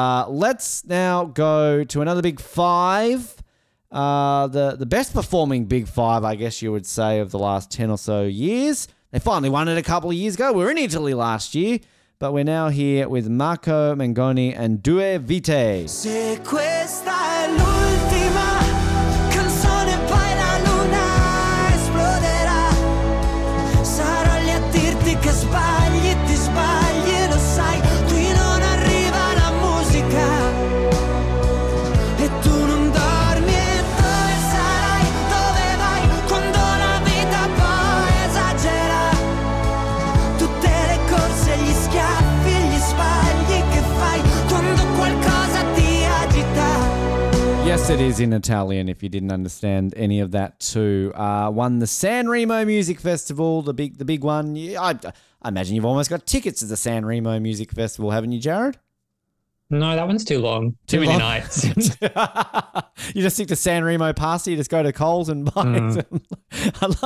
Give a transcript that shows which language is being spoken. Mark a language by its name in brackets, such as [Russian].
[English] Let's now go to another big five. The best performing big five, I guess you would say, of the last 10 or so years. They finally won it a couple of years ago. We were in Italy last year, but we're now here with Marco Mengoni and Due Vite. [Italian] Se questa è l'ultima canzone, poi la luna esploderà. Sarò lì a dirti che sbagli, ti sbagli, lo sai. Qui non arriva la musica e tu non dormi. E dove sarai? Dove vai? Quando la vita poi esagera tutte le corse, gli schiaffi, gli sbagli che fai quando qualcosa ti agita. [English] Yes, it is in Italian, if you didn't understand any of that too. Won the San Remo Music Festival, the big one. I imagine you've almost got tickets to the San Remo Music Festival, haven't you, Jarrod? No, that one's too long. Too many nights. You just stick to San Remo Pasta, you just go to Coles and buy some.